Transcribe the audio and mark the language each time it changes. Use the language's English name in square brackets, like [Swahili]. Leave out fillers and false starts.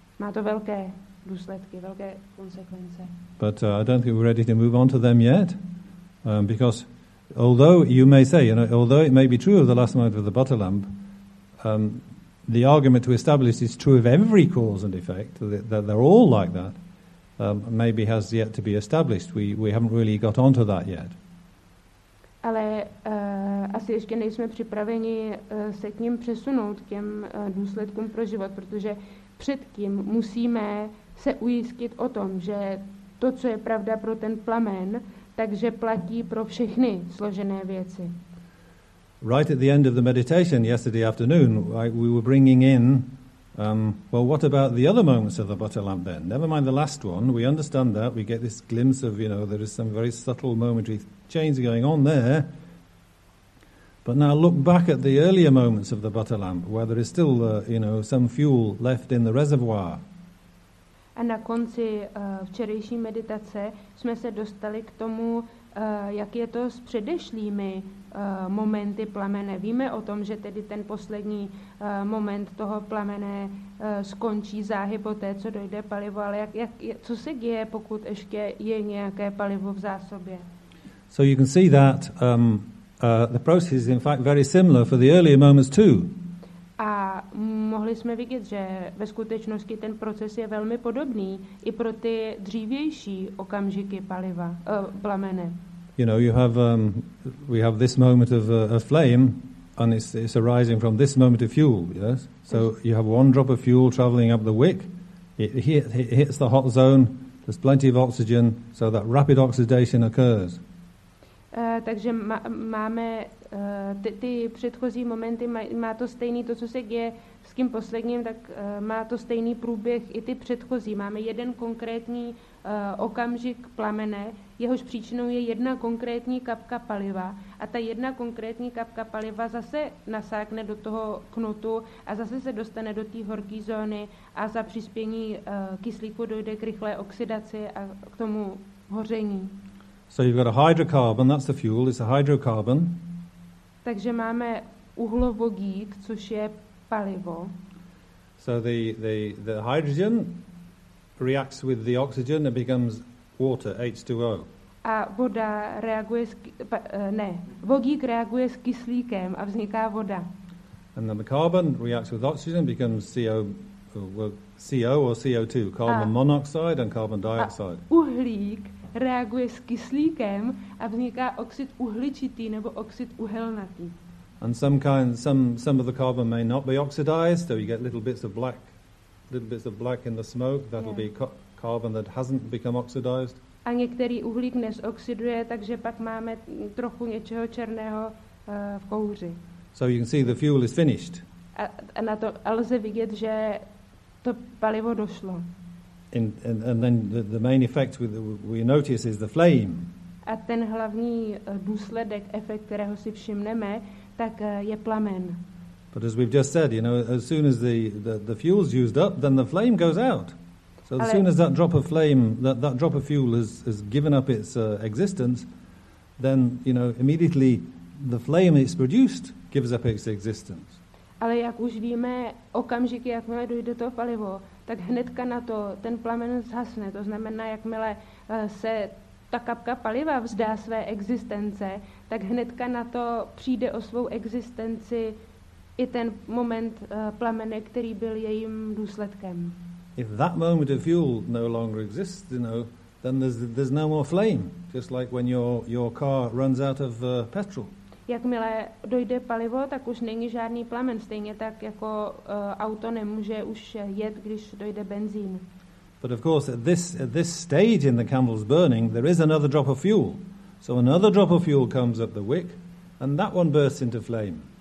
[Czech] Má to velké důsledky, velké konsekvence. [English] But I don't think we're ready to move on to them yet. Because although you may say, you know, although it may be true of the last moment of the butter lamp, the argument to establish is true of every cause and effect, that they're all like that, maybe has yet to be established. We haven't really got onto that yet. [Czech] Ale asi ještě nejsme připraveni se k ním přesunout, k těm důsledkům pro život, protože předtím musíme se ujistit o tom, že to, co je pravda pro ten plamen, takže platí pro všechny složené věci. [English] Right at the end of the meditation yesterday afternoon, we were bringing in Well, what about the other moments of the butter lamp then? Never mind the last one. We understand that. We get this glimpse of, you know, there is some very subtle momentary change going on there. But now look back at the earlier moments of the butter lamp, where there is still, you know, some fuel left in the reservoir. [Czech] A na konci včerejší meditace jsme se dostali k tomu, jak je to s předešlými momenty plamene. Víme o tom, že tedy ten poslední moment toho plamene skončí záhy po té, co dojde palivo, ale co se děje, pokud ještě je nějaké palivo v zásobě? [English] So you can see that the process is in fact very similar for the earlier moments too. [Czech] A mohli jsme vidět, že ve skutečnosti ten proces je velmi podobný i pro ty dřívější okamžiky paliva, plamene. [English] You know, you have we have this moment of a flame, and it's arising from this moment of fuel. Yes, so you have one drop of fuel traveling up the wick. It hits the hot zone. There's plenty of oxygen, so that rapid oxidation occurs. [Czech] Takže máme ty předchozí momenty, má to stejný, to, co se děje s tím posledním, tak má to stejný průběh i ty předchozí. Máme jeden konkrétní okamžik plamene, jehož příčinou je jedna konkrétní kapka paliva a ta jedna konkrétní kapka paliva zase nasákne do toho knutu a zase se dostane do té horké zóny a za přispění kyslíku dojde k rychlé oxidaci a k tomu hoření. [English] So you've got a hydrocarbon, that's the fuel, it's a hydrocarbon. [Czech] Takže máme uhlovodík, což je palivo. [English] So the hydrogen reacts with the oxygen and becomes water, H2O. [Czech] A voda reaguje s, ne, vodík reaguje s kyslíkem a vzniká voda. [English] And then the carbon reacts with oxygen and becomes CO. CO or CO2, carbon monoxide and carbon dioxide. [Czech] A uhlík reaguje s kyslíkem a vzniká oxid uhličitý nebo oxid uhelnatý. [English] And some of the carbon may not be oxidized, so you get little bits of black in the smoke. That'll be carbon that hasn't become oxidized. [Czech] A některý uhlík nezoxiduje, takže pak máme trochu něčeho černého v kouři. [English] So you can see the fuel is finished. [Czech] A na to lze vidět, že to palivo došlo. [English] And then the main effect we notice is the flame. [Czech] A ten hlavní důsledek, efekt, kterého si všimneme, tak je plamen. [English] But as we've just said, you know, as soon as the fuel's used up, then the flame goes out. So as soon as that drop of flame, that drop of fuel has given up its existence, then, you know, immediately the flame it's produced gives up its existence. [Czech] Ale jak už víme, okamžiky, jakmile dojde to palivo, tak hnedka na to ten plamen zhasne. To znamená, jakmile se ta kapka paliva vzdá své existence, tak hnedka na to přijde o svou existenci i ten moment plamene, který byl jejím důsledkem. [English] If that moment of fuel no longer exists, you know, then there's no more flame, just like when your car runs out of petrol. [Czech] Jakmile dojde palivo, tak už není žádný plamen, stejně tak jako auto nemůže už jet, když dojde benzín. [English] But of course at this stage in the candle's burning, there is another drop of fuel. So another drop of fuel comes up the wick and that one bursts into flame.